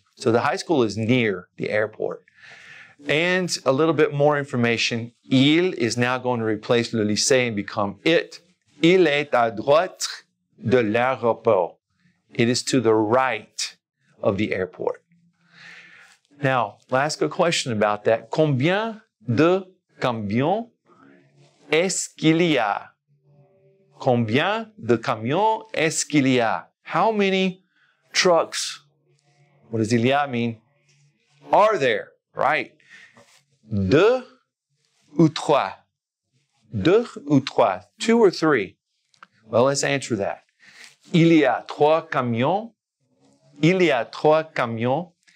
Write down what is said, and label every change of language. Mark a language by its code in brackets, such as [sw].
[en] So the high school is near the airport. And a little bit more information. Il is now going to replace le lycée and become it. [fr] Il est à droite de l'aéroport. [en] It is to the right of the airport. Now, I'll ask a question about that. [fr] Combien de camions est-ce qu'il y a? Combien de camions est-ce qu'il y a? [en] How many trucks, what does il y a mean? Are there, right? [fr] Deux ou trois? Deux ou trois? [en] Two or three? Well, let's answer that. [fr] Il y a trois camions. Il y a trois camions.